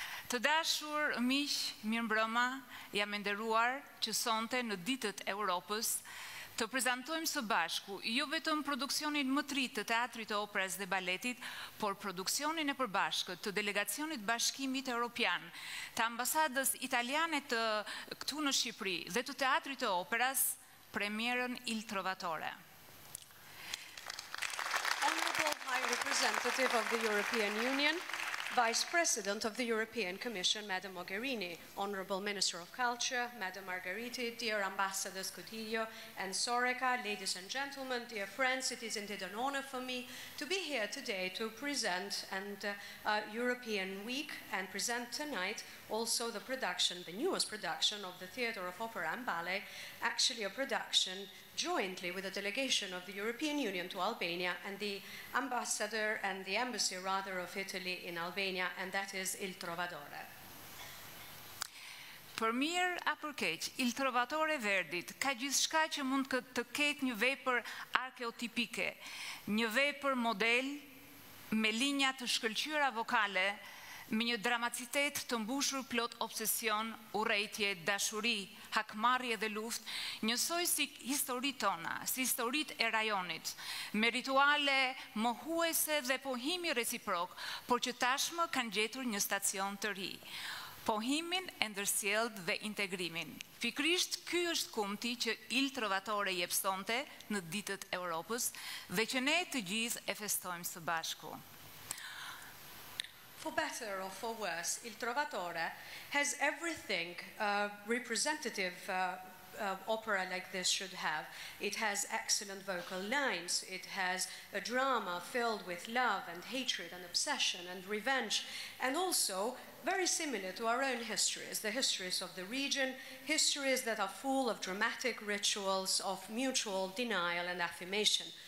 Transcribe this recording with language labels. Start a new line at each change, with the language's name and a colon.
Albanian: Të dashur miq, mirëmbrëma, jam nderuar që sonte në Ditët e Evropës të prezantojmë së bashku jo vetëm produksionin më të ri të teatrit të operës dhe baletit, por produksionin e përbashkët të delegacionit Bashkimit Evropian, të ambasadës italiane të këtu në Shqipëri dhe të teatrit të operas Premierën Il Trovatore.
English: Honorable High Representative of the European Union, Vice President of the European Commission, Madam Mogherini, Honorable Minister of Culture, Madam Margariti, dear Ambassadors Cotillo and Soreca, ladies and gentlemen, dear friends, it is indeed an honor for me to be here today to present and European Week and present tonight also the production, the newest production of the Theatre of Opera and Ballet, actually a production jointly with a delegation of the European Union to Albania and the ambassador and the embassy rather of Italy in Albania, and that is Il Trovatore.
Albanian: Për mirë apo për keq, Il Trovatore Verdit ka gjithçka që mund të ketë një vepër arkeotipike, një vepër model me linja të shkëlqyra vokale, me një dramacitet të mbushur plot obsesion, urrejtje, dashuri, hakmarrje dhe luftë, njësoj si histori tona, si historit e rajonit, me rituale mohuese dhe pohimi reciprok, por që tashmë kanë gjetur një stacion të ri. Pohimin e ndërsjellët dhe integrimin. Pikrisht ky është kumti që Il Trovatore jepsonte në Ditët e Evropës dhe që ne të gjithë e festojmë së bashku.
English: For better or for worse, Il Trovatore has everything a representative opera like this should have. It has excellent vocal lines. It has a drama filled with love and hatred and obsession and revenge, and also very similar to our own histories, the histories of the region, histories that are full of dramatic rituals of mutual denial and affirmation.